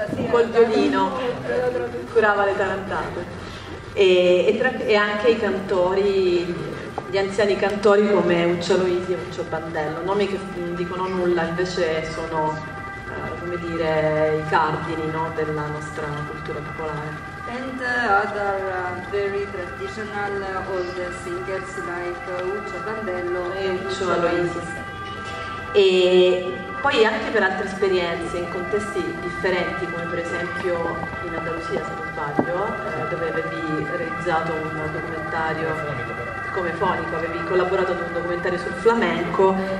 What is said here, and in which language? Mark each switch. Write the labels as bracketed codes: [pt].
[it] Col violino curava le tarantate e anche i cantori, gli anziani cantori come Uccio Luisi e Uccio Bandello, nomi che non dicono nulla, invece sono come dire i cardini, no, della nostra cultura popolare. [en] And other very traditional old singers like Uccio Bandello [it] e Uccio Luisi. Poi anche per altre esperienze in contesti differenti, come per esempio in Andalusia, se non sbaglio, dove avevi realizzato un documentario come fonico, avevi collaborato ad un documentario sul flamenco,